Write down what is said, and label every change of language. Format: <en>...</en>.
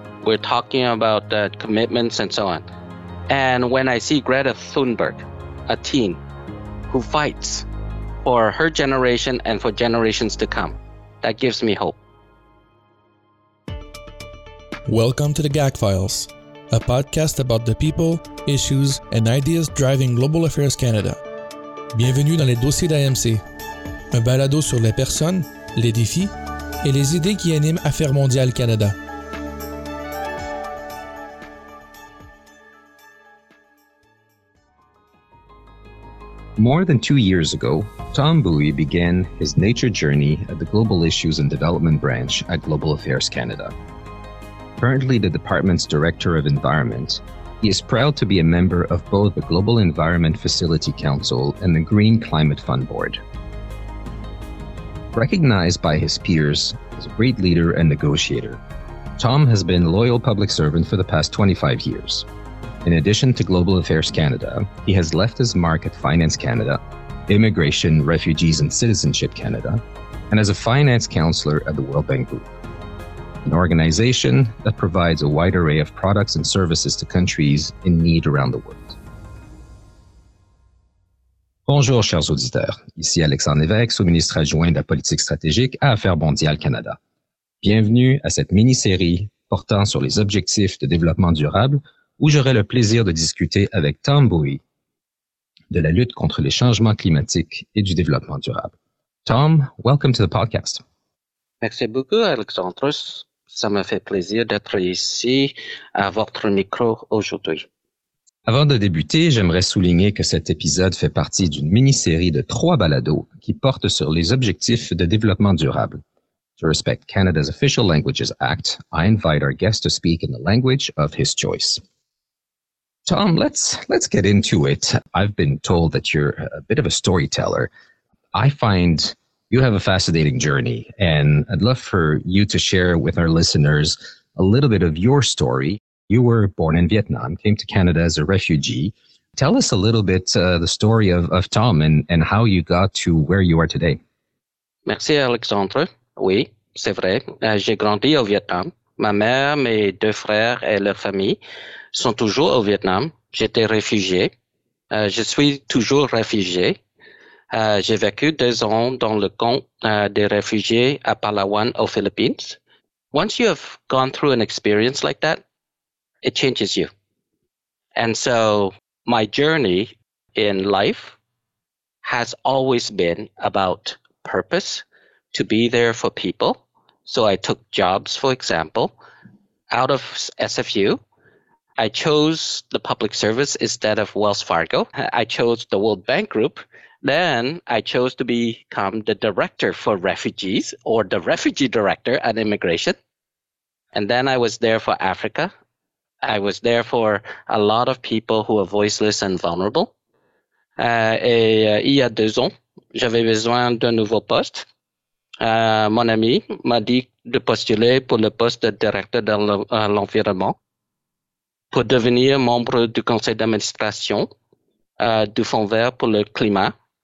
<en>We're talking about commitments and so on. And when I see Greta Thunberg, a teen who fights for her generation and for generations to come, that gives me hope. Welcome to the GAC Files, a podcast about the people, issues, and ideas driving Global Affairs Canada.</en> <fr>Bienvenue dans les dossiers d'AMC, un balado sur les personnes, les défis et les idées qui animent Affaires mondiales Canada.</fr> <en>More than 2 years ago, Tom Bowie began his nature journey at the Global Issues and Development Branch at Global Affairs Canada. Currently the department's Director of Environment, he is proud to be a member of both the Global Environment Facility Council and the Green Climate Fund Board. Recognized by his peers as a great leader and negotiator, Tom has been a loyal public servant for the past 25 years. In addition to Global Affairs Canada, he has left his mark at Finance Canada, Immigration, Refugees and Citizenship Canada, and as a finance counselor at the World Bank Group, an organization that provides a wide array of products and services to countries in need around the world.</en> <fr>Bonjour, chers auditeurs. Ici Alexandre Lévesque, sous-ministre adjoint de la politique stratégique à Affaires mondiales Canada. Bienvenue à cette mini-série portant sur les objectifs de développement durable où j'aurai le plaisir de discuter avec Tom Bowie de la lutte contre les changements climatiques et du développement durable.</fr> <en>Tom, welcome to the podcast.</en> <fr>Merci beaucoup, Alexandre. Ça me fait plaisir d'être ici à votre micro aujourd'hui. Avant de débuter, j'aimerais souligner que cet épisode fait partie d'une mini-série de 3 balados qui portent sur les objectifs de développement durable.</fr> <en>To respect Canada's Official Languages Act, I invite our guest to speak in the language of his choice. Tom, let's get into it. I've been told that you're a bit of a storyteller. I find you have a fascinating journey, and I'd love for you to share with our listeners a little bit of your story. You were born in Vietnam, came to Canada as a refugee. Tell us a little bit the story of Tom and how you got to where you are today.</en> <fr>Merci, Alexandre. Oui, c'est vrai. J'ai grandi au Vietnam. Ma mère, mes deux frères et leur famille sont toujours au Vietnam. J'étais réfugié. Je suis toujours réfugié. J'ai vécu 2 ans dans le camp des réfugiés à Palawan, aux Philippines.</fr> <en>Once you have gone through an experience like that, it changes you. And so my journey in life has always been about purpose, to be there for people. So I took jobs, for example, out of SFU. I chose the public service instead of Wells Fargo. I chose the World Bank Group. Then I chose to become the director for refugees, or the refugee director at immigration. And then I was there for Africa. I was there for a lot of people who are voiceless and vulnerable.</en> <fr>Et il y a 2 ans, j'avais besoin d'un nouveau poste. Mon ami m'a dit de postuler pour le poste de directeur de l'environnement pour devenir membre du conseil d'administration du Fonds vert pour le climat.</fr>